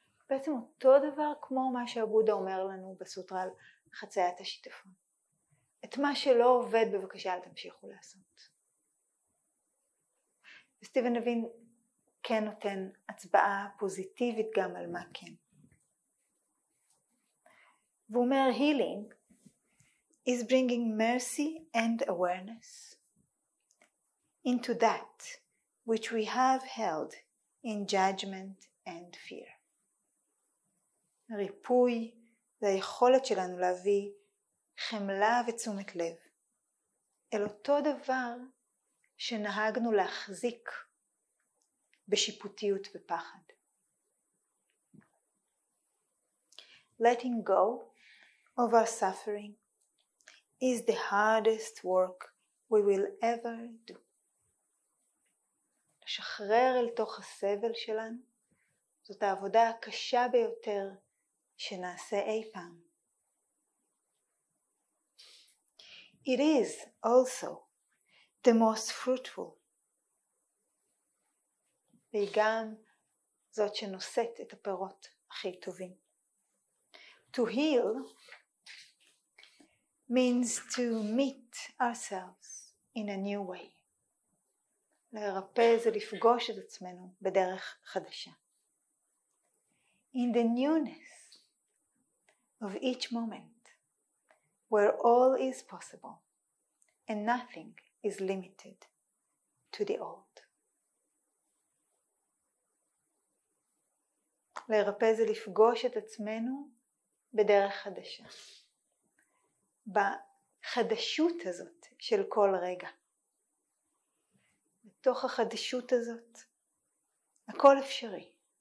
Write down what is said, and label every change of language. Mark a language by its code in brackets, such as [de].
[he] בעצם אותו דבר כמו מה שהבודה אומר לנו בסוטרה על חציית השיטפון. את מה שלא עובד בבקשה אל תמשיכו לעשות. וסטיבן לוין כן נותן הצבעה פוזיטיבית גם על מה כן. והוא אומר, [en] healing is bringing mercy and awareness into that which we have held in judgment and fear. [he] ריפוי זה היכולת שלנו להביא חמלה ותשומת לב אל אותו דבר שנהגנו להחזיק בשיפוטיות ופחד. [en] Letting go of our suffering is the hardest work we will ever do. [he] לשחרר אל תוך הסבל שלנו זאת העבודה הקשה ביותר שנעשה אי פעם. [en] It is also the most fruitful. [he] והיא גם זאת שנושאת את הפירות הכי טובים. [en] To heal means to meet ourselves in a new way. [he] להירפא זה לפגוש את עצמנו בדרך חדשה. [en] In the newness of each moment where all is possible and nothing is limited to the old. [he] להירפא זה לפגוש את עצמנו בדרך חדשה. בחדשות הזאת של כל רגע. בתוך החדשות הזאת, הכל אפשרי.